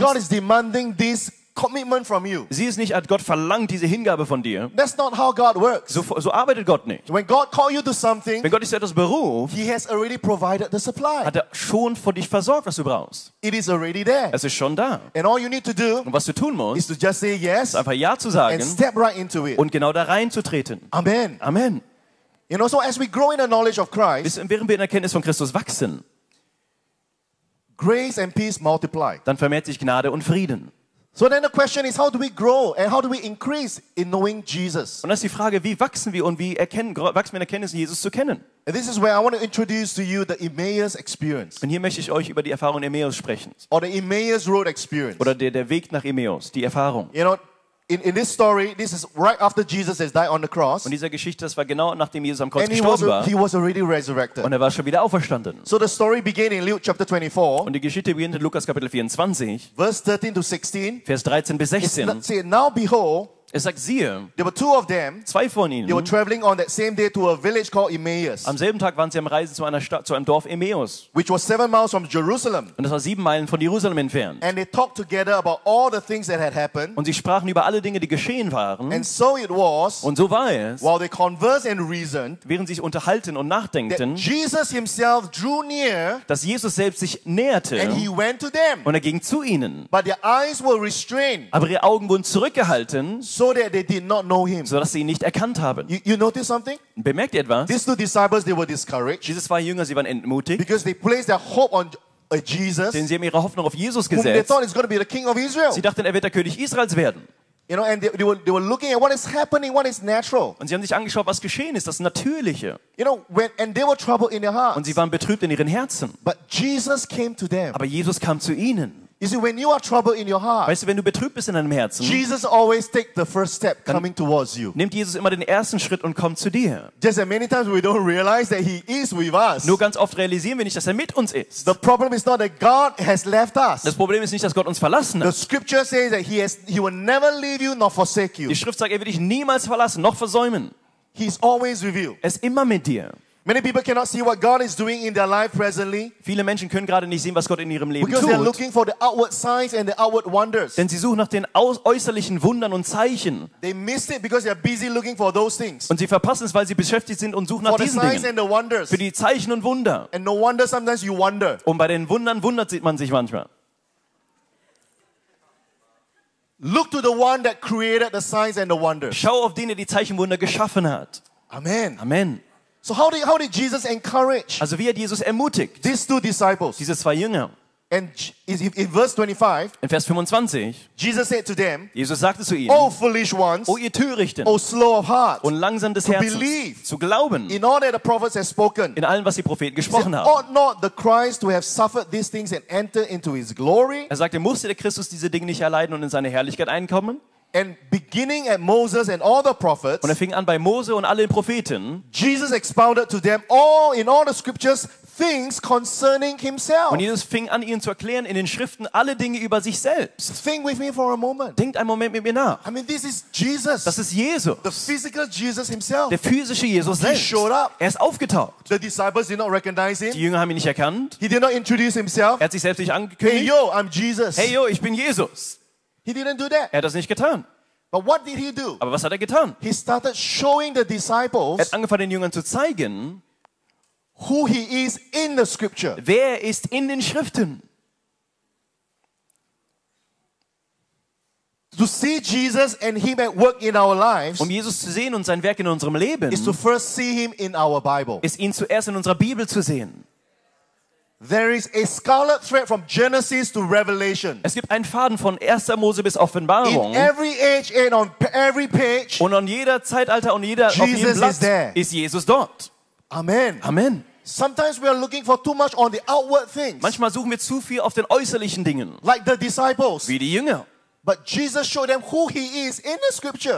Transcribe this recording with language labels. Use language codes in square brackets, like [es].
[en] That God is demanding this commitment from you. [de] Sie ist nicht, als Gott verlangt diese Hingabe von dir. [en] That's not how God works. [de] So arbeitet Gott nicht. [en] When God calls you to something, [de] wenn Gott dich zu etwas beruft, [en] He has already provided the supply. [de] Hat er schon für dich versorgt, was du brauchst. [en] It is already there. [de] Es ist schon da. [en] And all you need to do, [de] und was du tun musst, [en] is to just say yes, [de] einfach ja zu sagen, [en] and step right into it. [de] Und genau da reinzutreten. [en] Amen. [de] Amen. [en] You know, so as we grow in the knowledge of Christ, [de] während wir in der Erkenntnis von Christus wachsen, [en] grace and peace multiply. [de] Dann vermehrt sich Gnade und Frieden. [en] So then the question is, how do we grow and how do we increase in knowing Jesus? [de] Und das ist die Frage, wie wachsen wir und wachsen wir in Erkenntnis, Jesus zu kennen? [en] And this is where I want to introduce to you the Emmaus experience. [de] Und hier möchte ich euch über die Erfahrung Emmaus sprechen. [en] Or the Emmaus road experience. [de] Oder der Weg nach Emmaus, die Erfahrung. [en] You know, in this story, this is right after Jesus has died on the cross. [de] Und dieser Geschichte, das war genau nachdem Jesus am Kreuz gestorben war. [en] He was already resurrected. [de] Und war schon wieder auferstanden. [en] So the story began in Luke chapter 24. [de] Und die Geschichte beginnt in Lukas Kapitel 24. [en] Verse 13 to 16. [de] Vers 13 bis 16. [en] Now behold. [de] Es sagt, siehe, [en] there were two of them, [de] zwei von ihnen, [en] they were traveling on that same day to a village called Emmaus. [de] Am selben Tag waren sie am Reisen zu einer Stadt, zu einem Dorf Emmaus, [en] which was 7 miles from Jerusalem. [de] Und das war 7 Meilen von Jerusalem entfernt. [en] And they talked together about all the things that had happened. [de] Und sie sprachen über alle Dinge, die geschehen waren. [en] And so it was, [de] und so war es, [en] while they conversed and reasoned, [de] während sie sich unterhalten und nachdenkten, [en] that Jesus himself drew near, [de] dass Jesus selbst sich näherte, [en] and he went to them, [de] und er ging zu ihnen. [en] But their eyes were restrained, [de] aber ihre Augen wurden zurückgehalten. [en] So that they did not know him. [de] So dass sie ihn nicht erkannt haben. [en] You notice something? [de] Bemerkt ihr etwas? [en] These two disciples, they were discouraged. [de] Diese zwei Jünger, sie waren entmutigt. [en] Because they placed their hope on Jesus. [de] Denn sie haben ihre Hoffnung auf Jesus gesetzt. [en] Whom they thought is going to be the king of Israel. [de] Sie dachten, er wird der König Israels werden. [en] You know, and they were looking at what is happening, what is natural. [de] Und sie haben sich angeschaut, was geschehen ist, das Natürliche. [en] You know, and they were troubled in their hearts. [de] Und sie waren betrübt in ihren Herzen. [en] But Jesus came to them. [de] Aber Jesus kam zu ihnen. [en] You see, when you are troubled in your heart, [de] weißt du, wenn du betrübt bist in deinem Herzen, [en] Jesus always take the first step coming towards you. [de] Nimmt Jesus immer den ersten Schritt und kommt zu dir. [en] Just that many times we don't realize that he is with us. [de] Nur ganz oft realisieren wir nicht, dass er mit uns ist. [en] The problem is not that God has left us. [de] Das Problem ist nicht, dass Gott uns verlassen hat. [en] The scripture says that he will never leave you nor forsake you. [de] Die Schrift sagt, er wird dich niemals verlassen noch versäumen. [en] He's always with you. [de] Er ist immer mit dir. [en] Many people cannot see what God is doing in their life presently. [de] Viele Menschen können gerade nicht sehen, was Gott in ihrem Leben tut. [en] Because they're looking for the outward signs and the outward wonders. [de] Denn sie suchen nach den äußerlichen Wundern und Zeichen. [en] They miss it because they're busy looking for those things. [de] Und sie verpassen es, weil sie beschäftigt sind und suchen nach diesen Dingen. [en] For the signs and the wonders. [de] Für die Zeichen und Wunder. [en] And no wonder sometimes you wonder. [de] Und bei den Wundern wundert man sich manchmal. [en] Look to the one that created the signs and the wonders. [de] Schau auf den, der die Zeichen und Wunder geschaffen hat. [en] Amen. [de] Amen. [en] So how did Jesus encourage? [de] Also wie hat Jesus ermutigt? [en] These two disciples. [de] Diese zwei Jünger. [en] And in verse 25. [de] In Vers 25. [en] Jesus said to them. [de] Jesus sagte zu ihnen. [en] Oh foolish ones. [de] Oh ihr Törichten. [en] Oh slow of heart. [de] Und langsam des Herzens. [en] To believe. [de] Zu glauben. [en] In all that the prophets have spoken. [de] In allem was die Propheten gesprochen haben. [en] Ought not the Christ to have suffered these things and enter into his glory? [de] Er sagte, musste der Christus diese Dinge nicht erleiden und in seine Herrlichkeit einkommen? [en] And beginning at Moses and all the prophets, [de] und er fing an bei Mose und allen Propheten, [en] Jesus expounded to them all in all the scriptures things concerning himself. [de] Und Jesus fing an ihnen zu erklären in den Schriften alle Dinge über sich selbst. [en] Think with me for a moment. [de] Denkt einen Moment mit mir nach. [en] I mean, this is Jesus. [de] Das ist Jesus. [en] The physical Jesus himself. [de] Der physische Jesus selbst. [en] He showed up. [de] Er ist aufgetaucht. [en] The disciples did not recognize him. [de] Die Jünger haben ihn nicht erkannt. [en] He did not introduce himself. [de] Er hat sich selbst nicht angekündigt. [en] Hey yo, I'm Jesus. [de] Hey yo, ich bin Jesus. [en] He didn't do that. [de] Er hat das nicht getan. [en] But what did he do? [de] Aber was hat er getan? [en] He started showing the disciples. [de] Er hat angefangen, den Jüngern zu zeigen, [en] who he is in the scripture. [de] Wer ist in den Schriften? [en] To see Jesus and him at work in our lives. [de] Um Jesus zu sehen und sein Werk in unserem Leben. [en] Is to first see him in our Bible. [de] Ist ihn zuerst in unserer Bibel zu sehen. [en] There is a scarlet thread from Genesis to Revelation. [de] Es gibt einen Faden von 1. Mose bis Offenbarung. [en] In every age and on every page. [de] Und an jeder Zeitalter und jeder [en] Jesus [de] auf jedem Blatt ist Jesus dort. [en] Amen. [de] Amen. [en] Sometimes we are looking for too much on the outward things. [de] Manchmal suchen wir zu viel auf den äußerlichen Dingen. [en] Like the disciples. [de] Wie die Jünger. [en] But Jesus showed them who he is in the scripture.